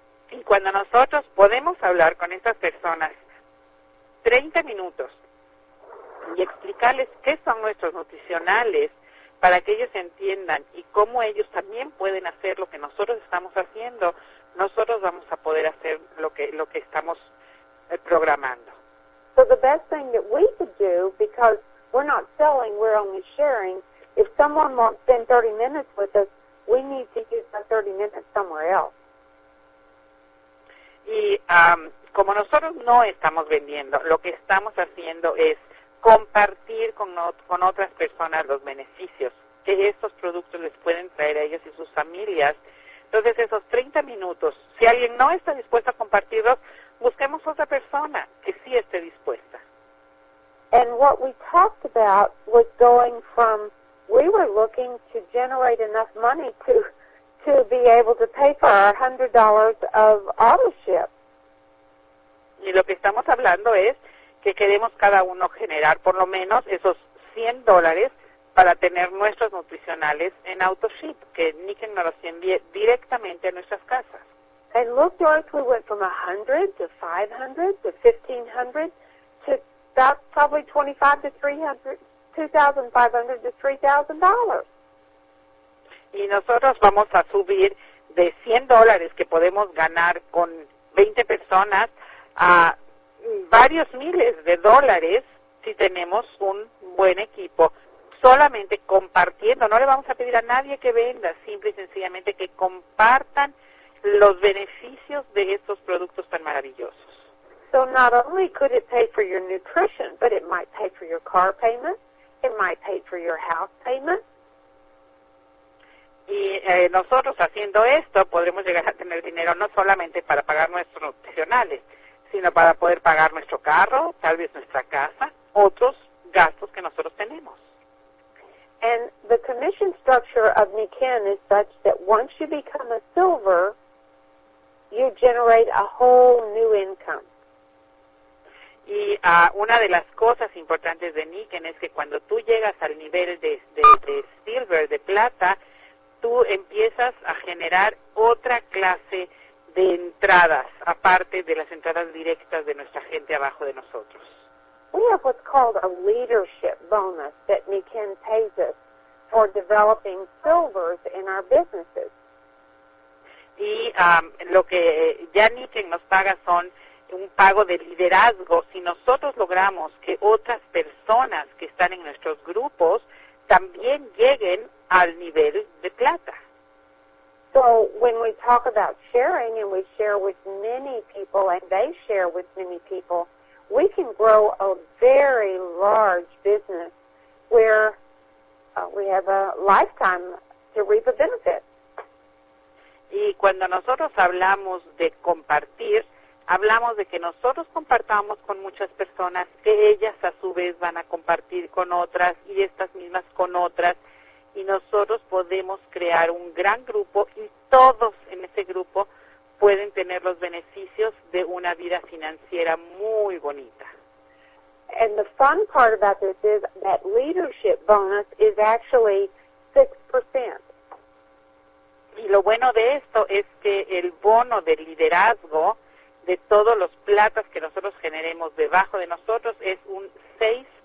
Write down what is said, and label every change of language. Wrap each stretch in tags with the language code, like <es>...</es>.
<es>Y cuando nosotros podemos hablar con estas personas 30 minutos y explicarles qué son nuestros nutricionales para que ellos entiendan y cómo ellos también pueden hacer lo que nosotros estamos haciendo, nosotros vamos a poder hacer lo que estamos programando.</es> <en>So the best thing that we could do, because we're not selling, we're only sharing, if someone wants to spend 30 minutes with us, we need to use that 30 minutes somewhere else.</en> <es>Y como nosotros no estamos vendiendo, lo que estamos haciendo es compartir con otras personas los beneficios que estos productos les pueden traer a ellos y sus familias. Entonces, esos 30 minutos, si alguien no está dispuesto a compartirlos, busquemos otra persona que sí esté dispuesta.</es> <en>And what we talked about was going from, we were looking to generate enough money to be able to pay for our $100 of autoship.</en> <es>Y lo que estamos hablando es que queremos cada uno generar por lo menos esos $100 para tener nuestros nutricionales en autoship, que Nikki nos los envíe directamente a nuestras casas.</es> <en>And look, Doris, we went from 100 to 500 to 1500 to about probably 25 to 300, 2500 to $3,000.</en> <es>Y nosotros vamos a subir de $100 que podemos ganar con 20 personas a varios miles de dólares si tenemos un buen equipo, solamente compartiendo. No le vamos a pedir a nadie que venda, simple y sencillamente que compartan los beneficios de estos productos tan maravillosos.</es> <en>So not only could it pay for your nutrition, but it might pay for your car payment, it might pay for your house payment.</en> <es>Y nosotros haciendo esto podremos llegar a tener dinero no solamente para pagar nuestros nutricionales, sino para poder pagar nuestro carro, tal vez nuestra casa, otros gastos que nosotros tenemos.</es> <en>And the commission structure of Nikken is such that once you become a silver, you generate a whole new income.</en> <es>Y una de las cosas importantes de Niken es que cuando tú llegas al nivel de silver, de plata, tú empiezas a generar otra clase de entradas, aparte de las entradas directas de nuestra gente abajo de nosotros.</es> <en>We have what's called a leadership bonus that Niken pays us for developing silvers in our businesses.</en> <es>Y lo que ya Niken nos paga son un pago de liderazgo si nosotros logramos que otras personas que están en nuestros grupos también lleguen al nivel de plata.</es> <en>So when we talk about sharing and we share with many people and they share with many people, we can grow a very large business where we have a lifetime to reap a benefit.</en> <es>Y cuando nosotros hablamos de compartir, hablamos de que nosotros compartamos con muchas personas, que ellas a su vez van a compartir con otras y estas mismas con otras, y nosotros podemos crear un gran grupo y todos en ese grupo pueden tener los beneficios de una vida financiera muy bonita.</es> <en>And the fun part about this is that leadership bonus is actually 6%.</en> <es>Y lo bueno de esto es que el bono de liderazgo de todos los platas que nosotros generemos debajo de nosotros es un 6%.</es>